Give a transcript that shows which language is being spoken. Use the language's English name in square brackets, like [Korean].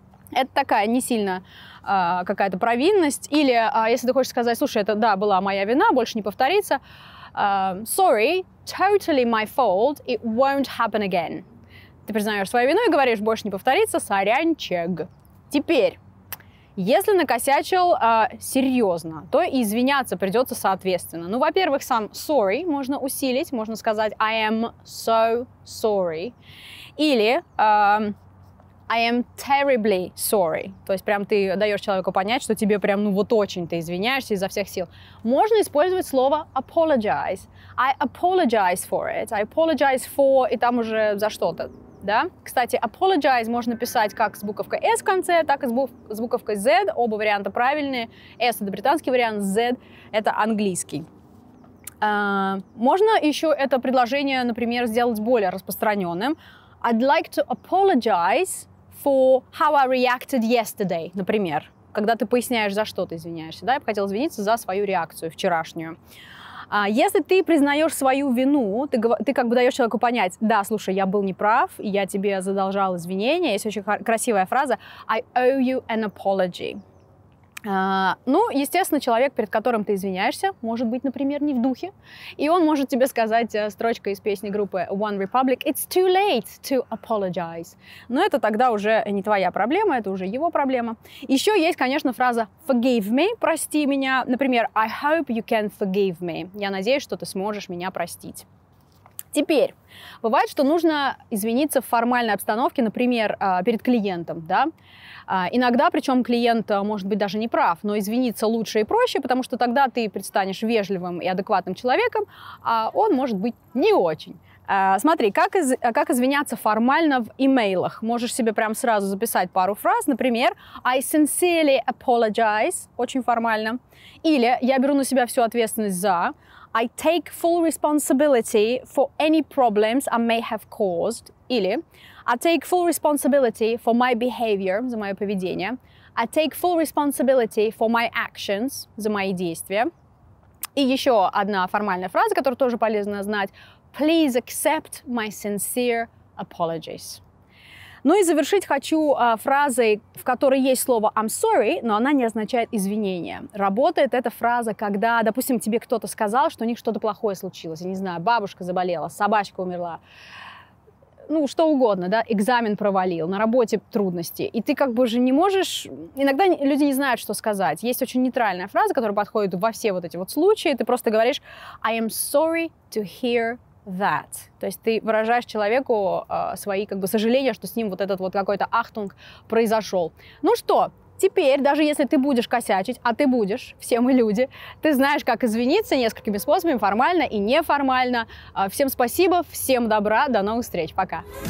[Russian] Это такая не сильно какая-то провинность, или если ты хочешь сказать, слушай, это да, была моя вина, больше не повторится, [English] sorry, totally my fault, it won't happen again. [Russian] Ты признаешь свою вину и говоришь, больше не повторится, сорянчик. Теперь. Если накосячил серьезно, то и извиняться придется соответственно. Ну, во-первых, сам sorry можно усилить, можно сказать [English] I am so sorry. [Russian] Или [English] I am terribly sorry. [Russian] То есть прям ты даешь человеку понять, что тебе прям, ну вот очень ты извиняешься изо всех сил. Можно использовать слово apologize. [English] I apologize for it. I apologize for, [Russian] и там уже за что-то. Да? Кстати, apologize можно писать как с буковкой S в конце, так и с буковкой Z. Оба варианта правильные. S — это британский вариант, Z — это английский. Можно еще это предложение, например, сделать более распространенным. [English] I'd like to apologize for how I reacted yesterday, [Russian] например. Когда ты поясняешь, за что ты извиняешься. Да? Я бы хотел извиниться за свою реакцию вчерашнюю. Если ты признаешь свою вину, ты как бы даешь человеку понять, да, слушай, я был неправ, я тебе задолжал извинения, есть очень красивая фраза, [English] I owe you an apology. [Russian] Ну, естественно, человек, перед которым ты извиняешься, может быть, например, не в духе, и он может тебе сказать строчкой из песни группы One Republic, [English] it's too late to apologize. [Russian] Но это тогда уже не твоя проблема, это уже его проблема. Еще есть, конечно, фраза [English] forgive me, [Russian] прости меня, например, [English] I hope you can forgive me. [Russian] Я надеюсь, что ты сможешь меня простить. Теперь, бывает, что нужно извиниться в формальной обстановке, например, перед клиентом, да? Иногда, причем клиент может быть даже не прав, но извиниться лучше и проще, потому что тогда ты предстанешь вежливым и адекватным человеком, а он может быть не очень. Смотри, как извиняться формально в имейлах? Можешь себе прямо сразу записать пару фраз, например, [English] I sincerely apologize, [Russian] очень формально, или я беру на себя всю ответственность за... [English] I take full responsibility for any problems I may have caused. Или I take full responsibility for my behavior, [Russian] за мое поведение. [English] I take full responsibility for my actions, [Russian] за мои действия. И еще одна формальная фраза, которую тоже полезно знать. [English] Please accept my sincere apologies. [Russian] Ну и завершить хочу фразой, в которой есть слово I'm sorry, но она не означает извинения. Работает эта фраза, когда, допустим, тебе кто-то сказал, что у них что-то плохое случилось. Я не знаю, бабушка заболела, собачка умерла. Ну, что угодно, да, экзамен провалил, на работе трудности. И ты как бы же не можешь... Иногда люди не знают, что сказать. Есть очень нейтральная фраза, которая подходит во все вот эти вот случаи. Ты просто говоришь [English] I am sorry to hear that. [Russian] То есть ты выражаешь человеку свои как бы сожаления, что с ним вот этот вот какой-то ахтунг произошел. Ну что, теперь, даже если ты будешь косячить, а ты будешь, все мы люди, ты знаешь, как извиниться несколькими способами, формально и неформально. Всем спасибо, всем добра, до новых встреч, пока!